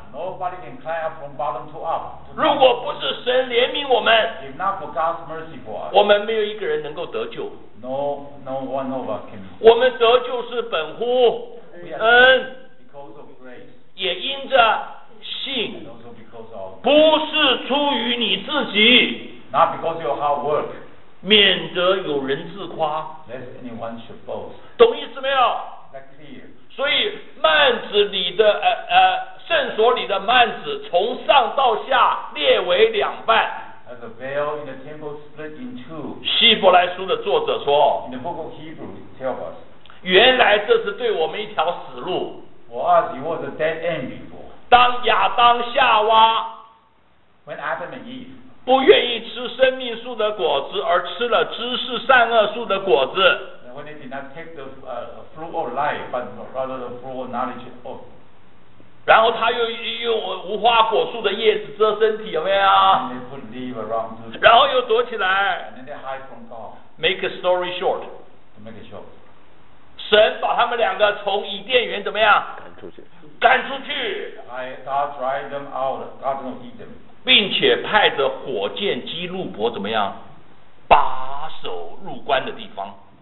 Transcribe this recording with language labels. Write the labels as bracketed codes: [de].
[en] Nobody can climb up from bottom to up. [zh] 如果不是神怜悯我们， [en] if not for God's mercy for us, [zh] 我们没有一个人能够得救。 [en] No one of us can. [zh] 我们得救是本乎恩，也因着信，不是出于你自己。 [en] Not because of your hard work. [zh] 免得有人自夸， [en] lest anyone should boast. [zh] 懂意思没有？ [en] That clear. [zh] 所以幔子里的圣所里的幔子从上到下列为两半。 [en] As a veil in the temple split in two. [zh] 希伯来书的作者说， [en] In the book of Hebrews, tell us. [zh] 原来这是对我们一条死路。 [en] For us, it was a dead end before. [zh] 当亚当夏娃， [en] When Adam and Eve. [zh] 不愿意吃生命树的果子，而吃了知识善恶树的果子。 [en] When they did not take the fruit of life, but rather the fruit of knowledge of. [zh] 然后他又用无花果树的叶子遮身体，有没有？ [en] And they put leaves around to. [zh] 然后又躲起来。 [en] And then they hide from God. Make a story short. To make it short. [zh] 神把他们两个从伊甸园怎么样？赶出去。赶出去。 [en] God drive them out. God don't eat them. [zh] 并且派着火箭基路伯怎么样把守入关的地方。